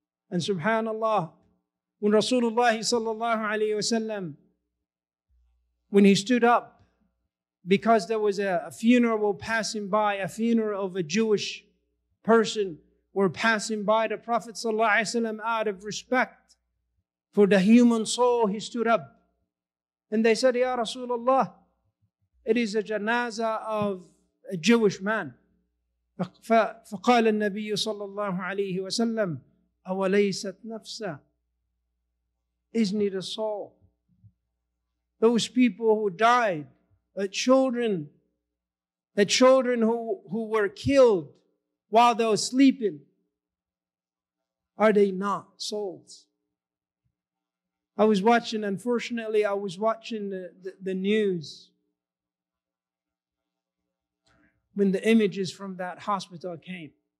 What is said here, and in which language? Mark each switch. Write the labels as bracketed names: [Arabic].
[English] And subhanAllah, when Rasulullah sallallahu alayhi wa sallam, when he stood up, because there was a funeral passing by, a funeral of a Jewish person were passing by the Prophet sallallahu alayhi wa sallam, out of respect for the human soul, he stood up. And they said, Ya Rasulullah, it is a janazah of a Jewish man. [Arabic] فقال النبي صلى الله عليه وسلم أوليست نفسا. [English] Isn't it a soul? Those people who died, the children who were killed while they were sleeping, are they not souls? I was watching, unfortunately, I was watching the news when the images from that hospital came.